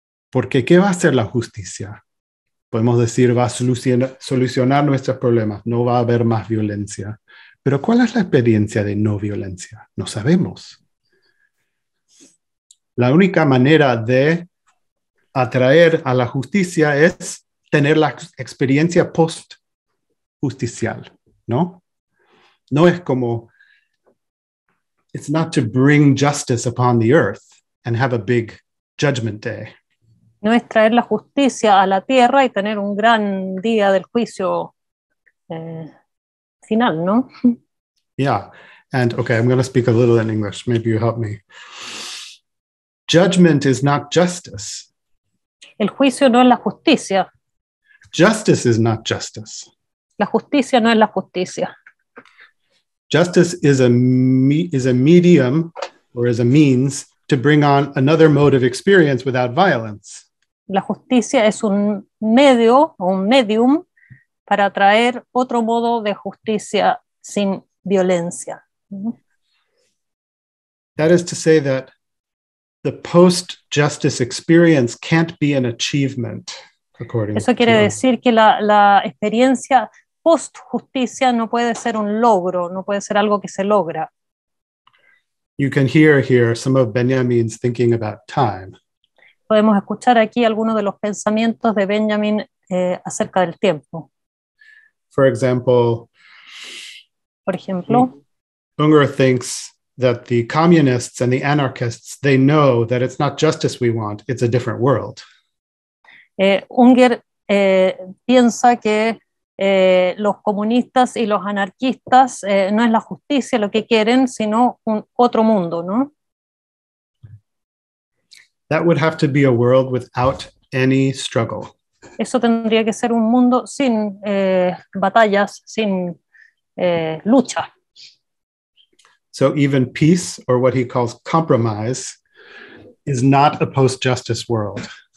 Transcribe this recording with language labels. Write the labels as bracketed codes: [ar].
[es] Porque, ¿qué va a hacer la justicia? Podemos decir, va a solucionar nuestros problemas, no va a haber más violencia. Pero ¿cuál es la experiencia de no violencia? No sabemos. La única manera de atraer a la justicia es tener la experiencia post-justicial, ¿no? No es como, [en] it's not to bring justice upon the earth and have a big judgment day. [es] No es traer la justicia a la tierra y tener un gran día del juicio final, ¿no? [en] Yeah, and okay, I'm going to speak a little in English. Maybe you help me. Judgment is not justice. [es] El juicio no es la justicia. [en] Justice is not justice. [es] La justicia no es la justicia. [en] Justice is a medium or is a means to bring on another mode of experience without violence. [es] La justicia es un medio o un medium para traer otro modo de justicia sin violencia. [en] That is to say that the post-justice experience can't be an achievement. According [es] Eso quiere [en] to [es] decir que la experiencia post-justicia no puede ser un logro, no puede ser algo que se logra. [en] You can hear here some of Benjamin's thinking about time. [es] Podemos escuchar aquí algunos de los pensamientos de Benjamin acerca del tiempo. [en] For example, [es] por ejemplo, [en] Unger thinks that the communists and the anarchists, they know that it's not justice we want, it's a different world. [es] Unger piensa que los comunistas y los anarquistas no es la justicia lo que quieren, sino un otro mundo, ¿no? [en] That would have to be a world without any struggle. [es] Eso tendría que ser un mundo sin batallas, sin lucha. [en] So even peace, or what he calls compromise, is not a post-justice world.